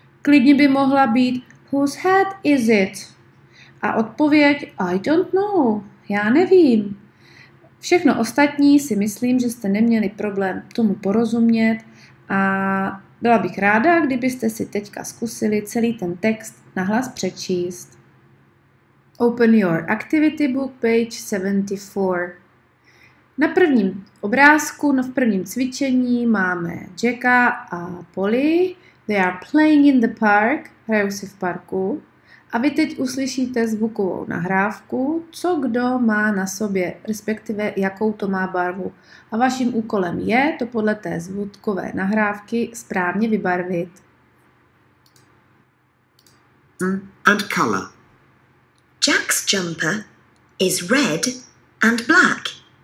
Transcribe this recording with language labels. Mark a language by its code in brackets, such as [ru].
[cs] Klidně by mohla být, [en] whose hat is it? [cs] A odpověď, [en] I don't know, [cs] já nevím. Všechno ostatní si myslím, že jste neměli problém tomu porozumět a byla bych ráda, kdybyste si teďka zkusili celý ten text nahlas přečíst. [en] Open your activity book, page 74. [cs] Na prvním obrázku, v prvním cvičení máme Jacka a Polly. [en] They are playing in the park, [cs] hrajou si v parku. A vy teď uslyšíte zvukovou nahrávku, co kdo má na sobě, respektive jakou to má barvu. A vaším úkolem je to podle té zvukové nahrávky správně vybarvit. [en] And color. Jack's jumper is red and black.